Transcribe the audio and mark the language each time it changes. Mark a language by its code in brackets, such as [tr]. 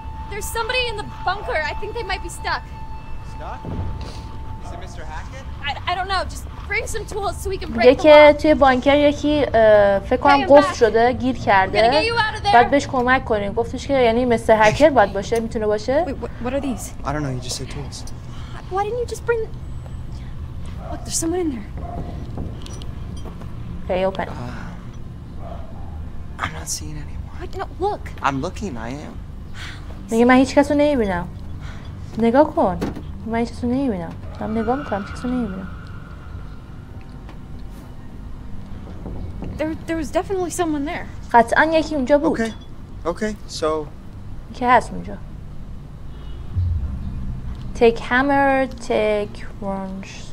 [en] There's somebody in the bunker. I think they might be stuck. Stuck? Is it Mr. Hackett? I don't know. Just bring some tools so we can break. [fa] یکی توی بانکر یکی فکر کنم قفل شده، گیر کرده. بعد بهش کمک کنیم. گفتش که یعنی مستر هکر باید باشه، میتونه باشه. [en] What are these? I don't know. You just said tools. Why didn't you just bring? Look, there's someone in there. Hey, open. I'm not seeing anyone. No, look. I'm looking. I am. [fa] میگه من هیچ کس رو نمیبینم. نگاه کن، من هیچ کس رو نمیبینم. من نگاه میکنم، کس رو نمیبینم. [en] There was definitely someone there. [fa] قطعا یکی اونجا بود. [en] Okay. Okay. So. [fa] کی هست اونجا؟ [en] Take hammer, take wrench.